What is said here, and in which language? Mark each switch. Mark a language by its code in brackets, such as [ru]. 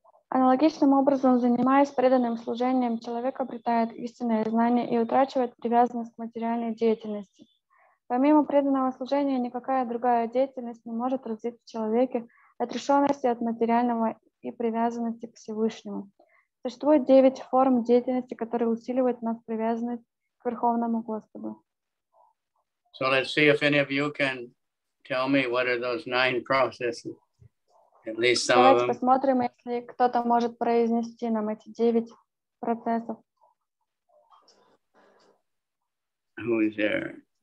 [ru] Аналогичным образом, занимаясь преданным служением, человек обретает истинное знание и утрачивает привязанность к материальной деятельности. Помимо преданного служения, никакая другая деятельность не может развить в человеке отрешенности от материального и привязанности к Всевышнему. Существует 9 форм деятельности, которые усиливают нас привязанность к Верховному Господу. [en] So let's see if any of you can tell me what are those 9 processes. At least some [ru] Давайте [en] of them. [ru] Посмотрим, если кто-то может произнести нам эти 9 процессов. [en] Who is there?